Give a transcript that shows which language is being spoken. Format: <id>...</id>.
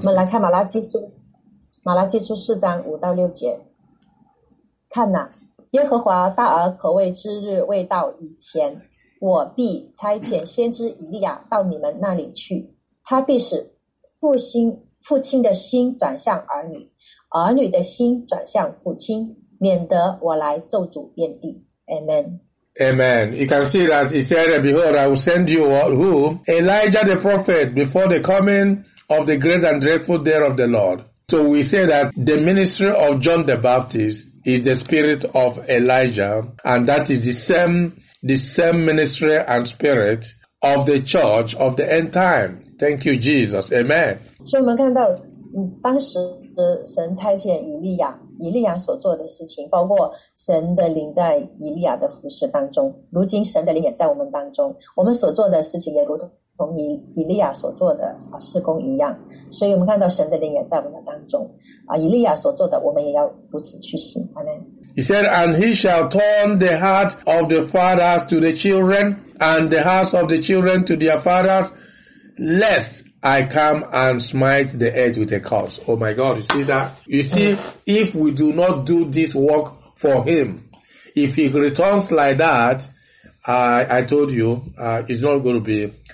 <zh>我们来看马拉基书4章5到6节。看哪，耶和华大而可畏之日未到以前。我必差遣先知以利亚到你们那里去，他必使父亲的心转向儿女，儿女的心转向父亲，免得我来咒诅遍地。Amen.</zh> <en>Amen. You can see that he said, Behold, I will send you all who? Elijah the prophet before the coming of the great and dreadful day of the Lord. So we say that the ministry of John the Baptist is the spirit of Elijah, and that is the same ministry and spirit of the church of the end time. Thank you, Jesus. Amen. So we can see,</en> <zh>当时神差遣以利亚所做的事情，包括神的灵在以利亚的服事当中，如今神的灵也在我们当中，我们所做的事情也如同以利亚所做的事工一样，所以我们看到神的灵也在我们当中，以利亚所做的我们也要如此去行。</zh> <en>Amen. He said, and he shall turn the heart of the fathers to the children, and the hearts of the children to their fathers, lest I come and smite the earth with a curse. Oh my God, you see that? You see, if we do not do this work for him, if he returns like that, I told you, it's not going to be.</en>